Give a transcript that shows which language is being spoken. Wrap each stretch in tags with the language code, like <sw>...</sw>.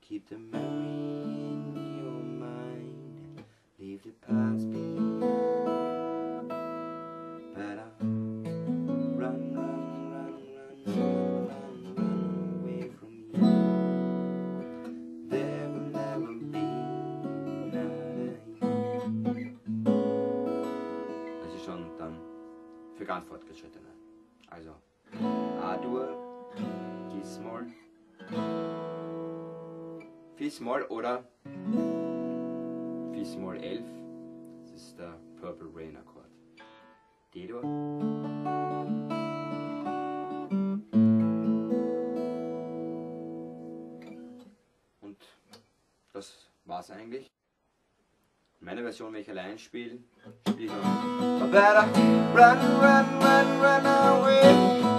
<en>The memory in your mind, leave the past behind. Better run, run, run, run, run, run away from you. There will never be another.</en> <de>Das ist schon dann für ganz Fortgeschrittene. Also A-Dur, G-Small. Fis-Moll oder Fis Moll 11, das ist der Purple Rain Akkord. D-Dur. Und das war's eigentlich. Meine Version, wenn ich allein spiele, spiele ich noch.</de> <en>I better run, run, run, run away.</en>